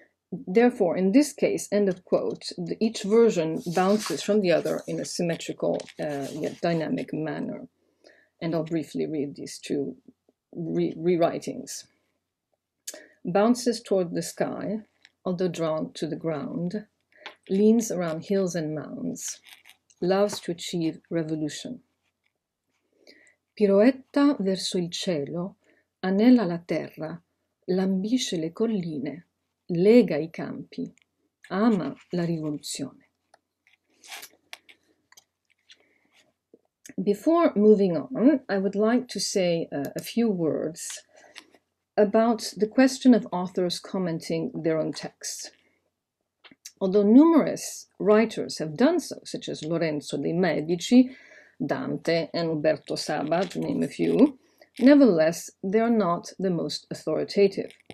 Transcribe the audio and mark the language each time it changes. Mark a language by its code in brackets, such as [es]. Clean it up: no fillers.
[en] Therefore, in this case, end of quote, each version bounces from the other in a symmetrical yet dynamic manner. And I'll briefly read these two rewritings. Bounces toward the sky, although drawn to the ground, leans around hills and mounds, loves to achieve revolution. [it] Piroetta verso il cielo, anella la terra, lambisce le colline, lega i campi, ama la rivoluzione. [en] Before moving on, I would like to say a few words about the question of authors commenting their own texts. Although numerous writers have done so, such as Lorenzo de' Medici, Dante, and Umberto Saba, to name a few, nevertheless, they are not the most authoritative.